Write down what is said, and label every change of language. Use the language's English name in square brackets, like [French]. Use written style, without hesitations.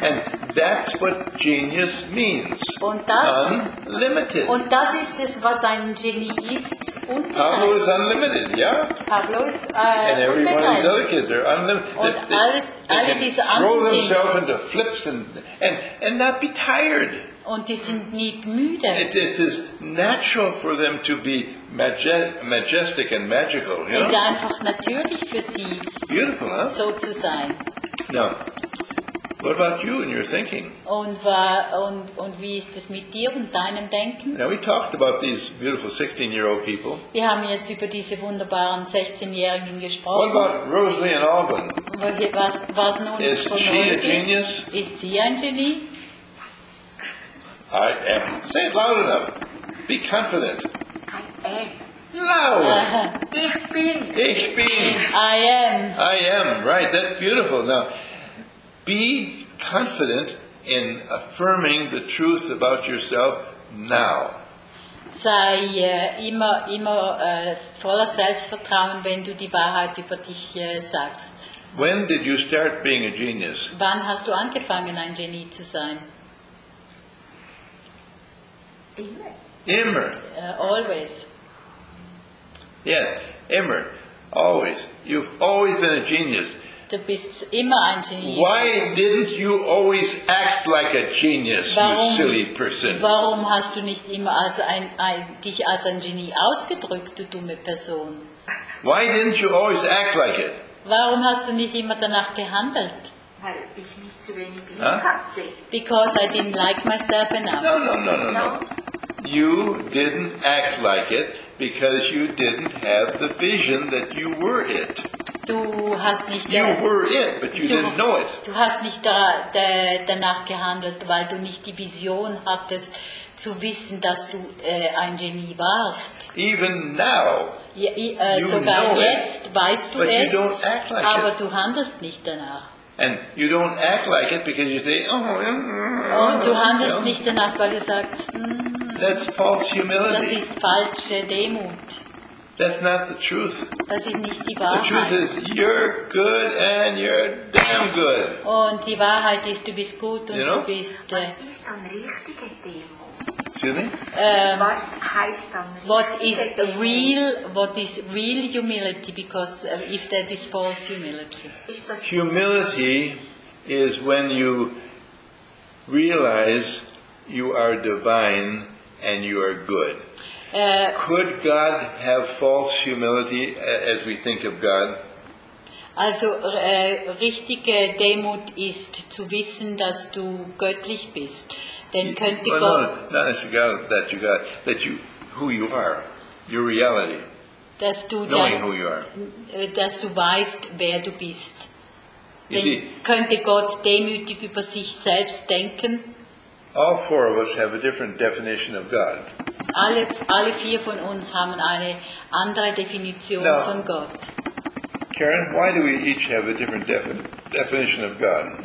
[English] And that's what genius means. [German] Und das, [English] unlimited. [German] Und das ist es, was ein Genie ist. Unbegrenzt. [English] Pablo is unlimited, yeah? [German] Pablo ist [English] and everyone of his other kids are unlimited. [German] Und all diese anderen. [English] Throw themselves into flips and not be tired. [German] Und die sind nicht müde. [English] It is natural for them to be majestic and magical. You know? [German] Es ist einfach natürlich für sie, [English] beautiful, huh? [German] So zu sein. [English] Now, what about you and your thinking? [German] Und wie ist es mit dir und deinem Denken? [English] Now we talked about these beautiful 16-year-old people. [German] Wir haben jetzt über diese wunderbaren 16-Jährigen gesprochen. [English] What about Rosalie and Alban? [German] Was nun [English] is [German] von [English] she Rosie? A genius? [German] Ist sie ein Genie? [English] I am. Say it loud enough. Be confident. I am. No. [German] Ich bin. Ich bin. [English] I am. I am. Right. That's beautiful. Now, be confident in affirming the truth about yourself now. [German] Sei immer voller Selbstvertrauen, wenn du die Wahrheit über dich sagst. [English] When did you start being a genius? [German] Wann hast du angefangen, ein Genie zu sein? Immer. [English] Always. Yes, [German] immer. [English] Always. You've always been a genius. [German] Du bist immer ein Genie. [English] Why didn't you always act like a genius, [German] warum, [English] you silly person? [German] Warum hast du nicht immer als dich als ein Genie ausgedrückt, du dumme Person? [English] Why didn't you always act like it? [German] Warum hast du nicht immer danach gehandelt? Weil ich mich zu wenig lieb hatte. [English] Because I didn't like myself enough. No. You didn't act like it because you didn't have the vision that you were it. [German] Du hast nicht [English] you were it, but you didn't know it. [German] Du hast nicht danach gehandelt, weil du nicht die Vision hattest, zu wissen, dass du ein Genie warst. [English] Even now, [German] sogar jetzt weißt du es, [English] like [German] aber [English] it. [German] Du handelst nicht danach. [English] And you don't act like it because you say, oh, [German] und du handelst nicht danach, weil du sagst, [English] that's false humility. [German] Das ist falsche Demut. [English] That's not the truth. [German] Das ist nicht die Wahrheit. [English] The truth is, you're good and you're damn good. [German] Und die Wahrheit ist, du bist gut und du bist... Was ist an richtige Demut? [English] Excuse me? [German] Was heißt an richtige Demut? [English] What is real humility? Because if that is false humility. Humility is when you realize you are divine and you are good. Could God have false humility as we think of God? [German] Also richtige Demut ist zu wissen, dass du göttlich bist. Denn könnte Gott [English] not necessarily God, that you God, that you who you are, your reality. [German] Dass du [English] knowing who you are. [German] Dass du weißt, wer du bist. [English] You see, [German] könnte Gott demütig über sich selbst denken? [English] All four of us have a different definition of God. [German] Alle vier von uns haben eine andere Definition [English] now, [German] von Gott. [English] Karen, why do we each have a different definition of God?